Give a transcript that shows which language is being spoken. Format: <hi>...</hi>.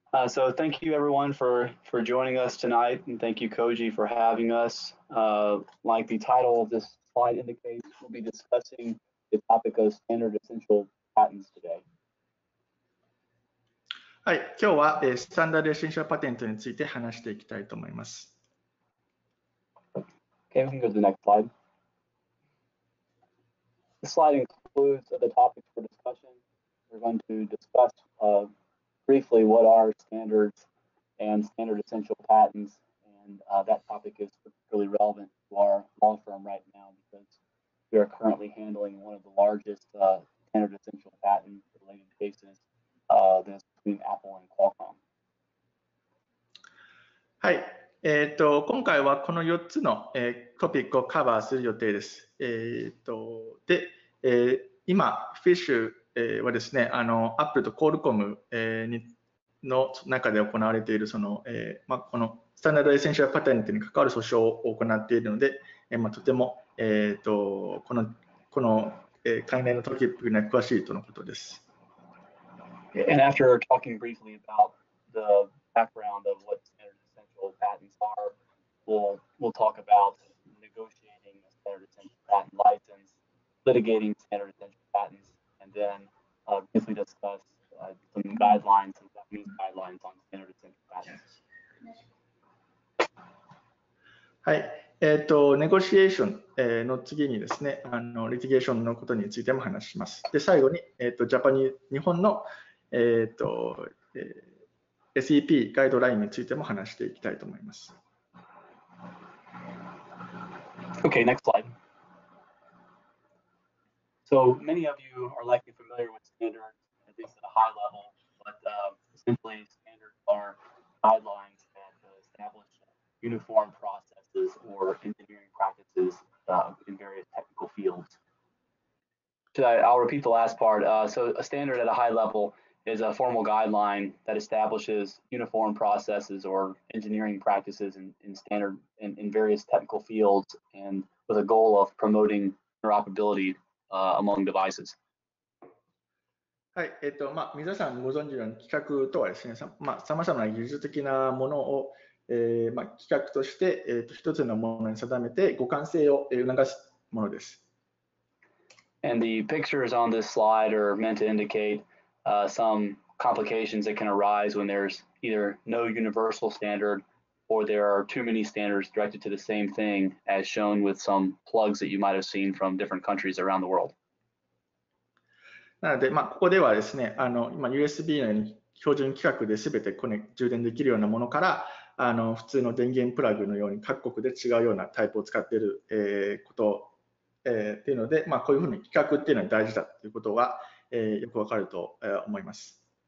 <en>So thank you everyone for joining us tonight, and thank you Koji for having us. Like the title of this slide indicates, we'll be discussing the topic of standard essential patents today.</en> <ja>はい、今日は、スタンダードエッセンシャルパテントについて話していきたいと思います。</ja> <en>Okay, we can go to the next slide. The slide includes the topics for discussion. We're going to discuss, briefly what are standards and standard essential patents, and, that topic is particularly relevant to our law firm right now because we are currently handling one of the largest, standard essential patent related cases, this between Apple and Qualcomm.</en> <ja>はい。今回はこの4つの、トピックをカバーする予定です。で、今、フィッシュはですね、Apple と Qualcomm、の中で行われているその、このスタンダードエッセンシャルパテントに関わる訴訟を行っているので、とても、この、関連のトピックに詳しいとのことです。</ja> <en>And after talking briefly about the background of what standard essential patents are, we'll talk about negotiating a standard essential patent license, litigating standard essential patents, and then briefly discuss some guidelines, some Japanese guidelines on standard essential patents.</en> <ja>はい、ネゴシエーションの次にですね、リティゲーションのことについても話します。で、最後に、ジャパニー、日本のSEP ガイドラインについても話していきたいと思います。</ja> <en>Okay, next slide. So many of you are likely familiar with standards, at least at a high level, but essentially standards are guidelines that establish uniform processes or engineering practices in various technical fields. Today, I'll repeat the last part. So a standard at a high level. Is a formal guideline that establishes uniform processes or engineering practices in standard in various technical fields and with a goal of promoting interoperability among devices.</en> <ja>はい、皆さんご存知のように規格とはですね、さまざまな技術的なものを、規格として、一つのものに定めて互換性を促すものです。</ja> <en>And the pictures on this slide are meant to indicateSome complications that can arise when there's either no universal standard or there are too many standards directed to the same thing, as shown with some plugs that you might have seen from different countries around the world.</en> <ja>なので、ここではですね、USB のように標準規格で全て充電できるようなものから、普通の電源プラグのように各国で違うようなタイプを使っている、ことっていうので、こういうふうに規格っていうのは大事だということは、よくわかると思います。</ja>